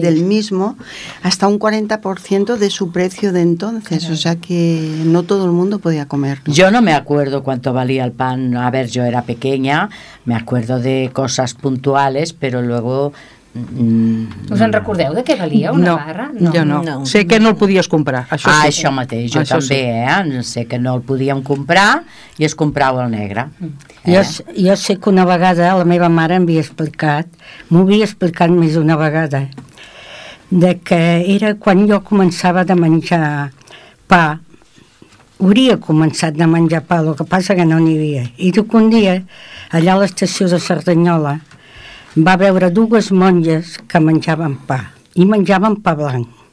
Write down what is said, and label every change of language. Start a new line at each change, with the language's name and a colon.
Spanish: del mismo, hasta un 40% de su precio de entonces. Claro. O sea que no todo el mundo podía comerlo. Yo no me acuerdo cuánto valía el pan. A ver, yo era pequeña, me acuerdo de cosas puntuales, pero luego
Catalan: Us en recordeu de què valia una barra? No, jo no. Sé que no el podies comprar. Això ah, sí. Això mateix, jo això també, sí. Sé que no el podíem comprar i es comprava el negre. Jo sé que una vegada la meva mare m'havia explicat, m'ho havia explicat més d'una vegada, de que era quan jo començava de menjar pa, hauria començat de menjar pa, el que passa que no n'hi havia. I dic un dia, allà a l'estació de Cerdanyola, va veure dues monges que menjaven pa, i menjaven pa blanc.